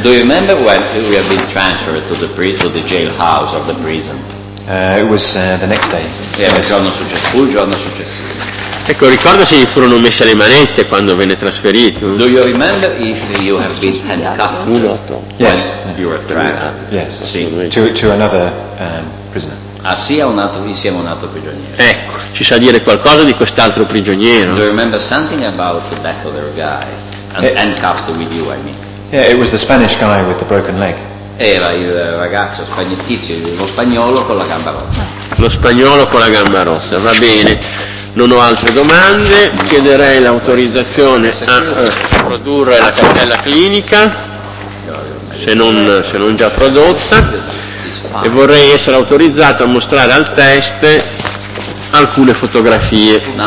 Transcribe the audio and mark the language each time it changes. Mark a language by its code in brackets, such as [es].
[en] Do you remember when we have been transferred to the prison, to the jailhouse of the prison? It was the next day. [it] Yeah, il giorno successivo. Ecco, ricorda se gli furono messe le manette quando venne trasferito? [en] Do you remember if you have been handcuffed? Yes. You were trapped. Yes. Sì. To another prisoner. [it] Ah sì, insieme a un altro prigioniero. Ecco, ci sa dire qualcosa di quest'altro prigioniero? [en] Do you remember something about that other guy? Handcuffed with you, I mean. Yeah, it was the Spanish guy with the broken leg. [it] Era il ragazzo spagnolo, lo spagnolo con la gamba rossa. Lo spagnolo con la gamba rossa, va bene. Non ho altre domande, chiederei l'autorizzazione a produrre la cartella clinica, se non già prodotta, e vorrei essere autorizzato a mostrare al test alcune fotografie.